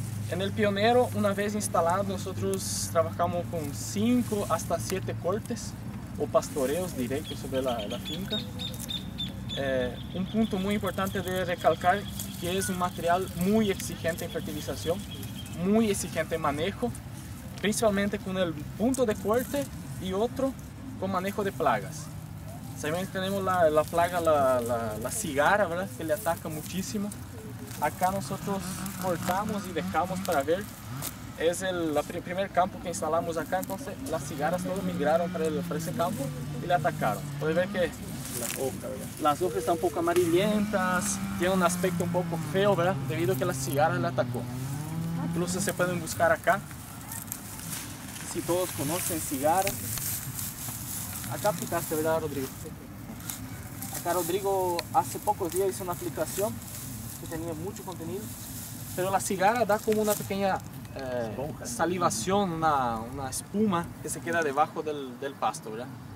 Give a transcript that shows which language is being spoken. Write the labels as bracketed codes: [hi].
[pt] En el pioneiro, uma vez instalado, nós trabalhamos com 5 hasta 7 cortes ou pastoreos direitos sobre a finca. Um ponto muito importante de recalcar que é um material muito exigente em fertilização, muito exigente em manejo, principalmente com o ponto de corte e outro com manejo de plagas. Sabemos que temos a plaga, a cigarra, ¿verdad? [es] Que le ataca muito. [pt] Acá nós cortamos e deixamos para ver. É o primeiro campo que instalamos acá, então as cigarras todas migraram para esse campo e le atacaram. Pode ver que as hojas estão um pouco amarilhentas, tem um aspecto um pouco feo, ¿verdad? Devido a que a cigarra le atacou. Incluso se podem buscar acá, se todos conhecem cigarra. [es] Acá aplicaste, ¿verdad, Rodrigo? Acá Rodrigo hace pocos días hizo una aplicación que tenía mucho contenido, pero la cigarra da como una pequeña salivación, una espuma que se queda debajo del pasto, ¿verdad?